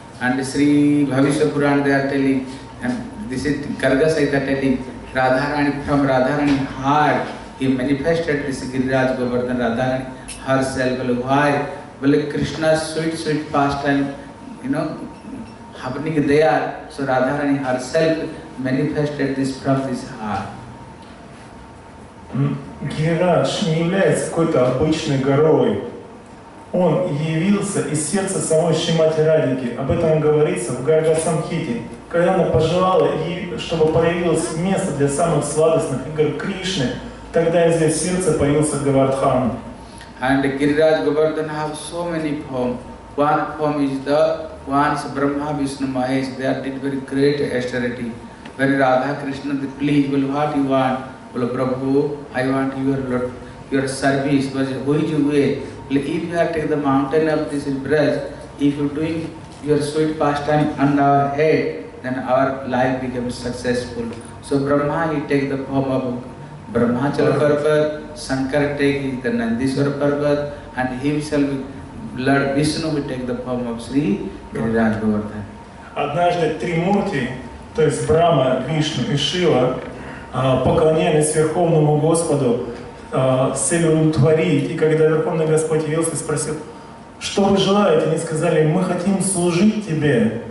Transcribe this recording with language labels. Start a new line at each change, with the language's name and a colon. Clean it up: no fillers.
English: And Sri Bhavishya Puran, they are telling, and this is Garga Saita telling, Radharani, from Radharani heart, he manifested the Sigirirajh Govardhan, Radharani herself. Why? Well, Krishna's sweet, sweet pastime, you know, happening there, so Radharani herself manifested this from his heart.
Russian: Гирирадж не является какой-то обычной горой. Он явился из сердца самой Шримати Радхики. Об этом говорится в Гарга Самхите. Когда она пожелала, чтобы появилось место для самых сладостных игр Кришны, тогда из ее сердца появился Говардхан.
English: And Гирирадж Говардхан have so many form. One form is the ones Brahma Vishnu Mahesh. They are did very great austerity. When Radha Krishna, the pleased, will what you want? Well, Prabhu, I want your service, but who is your way? Well, if you have taken the mountain of this breast, if you are doing your sweet pastime on our head, then our life becomes successful. So Brahma, he takes the form of Brahmachara Parvat, Shankar takes the Nandishwara Parvat, and himself, Lord Vishnu, will take the form of Sri Gariraj Govardhan.
Russian: Однажды Тримурти, то есть Брама, Вишну и Шива, поклонялись Верховному Господу с целью удовлетворить. И когда Верховный Господь явился и спросил, что вы желаете, они сказали, мы хотим служить тебе.